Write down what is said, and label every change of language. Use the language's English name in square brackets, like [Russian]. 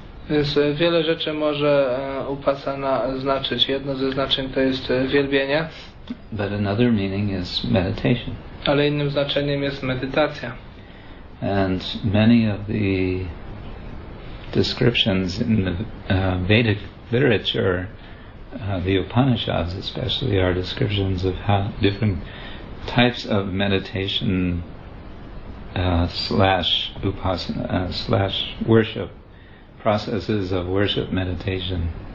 [Polish] Więc wiele rzeczy może upasana znaczyć. Jedno ze znaczeń to jest wielbienie. [English] But another meaning is meditation. [Polish] Ale innym znaczeniem jest medytacja. [English] And many of the descriptions in the Vedic literature, the Upanishads especially, are descriptions of how different types of meditation slash upasana slash worship processes of worship meditation